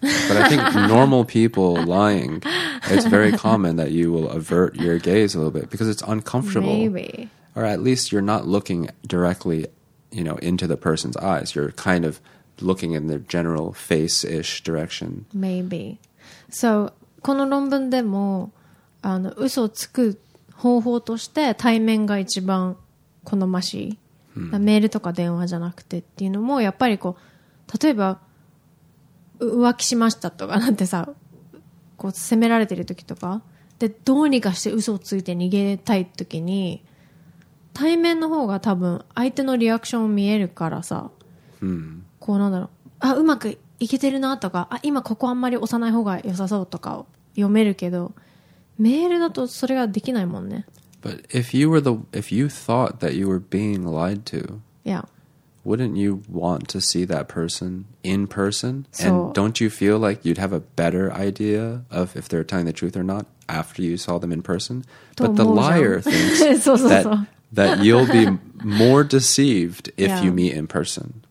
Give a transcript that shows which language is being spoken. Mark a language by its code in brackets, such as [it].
[en] But I think normal people lying, it's very common that you will avert your gaze a little bit because it's uncomfortable. Maybe. Or at least you're not looking directly, you know, into the person's eyes. You're kind of looking in their general face-ish direction. Maybe. [ja] So, この論文でも、あの、嘘をつく方法として対面が一番好ましい。メールとか電話じゃなくてっていうのも、やっぱりこう、例えば、浮気しましたとかなんてさ、こう、責められてる時とか、で、どうにかして嘘をついて逃げたい時に、対面の方が多分、相手のリアクション見えるからさ、こうなんだろう、あ、うまくいけてるなとか、あ、今ここあんまり押さない方が良さそうとか読めるけど、メールだとそれができないもんね。 [en] But if you thought that you were being lied to, wouldn't you want to see that person in person? And don't you feel like you'd have a better idea of if they're telling the truth or not after you saw them in person? But the liar thinks that you'll be more deceived if you meet in person.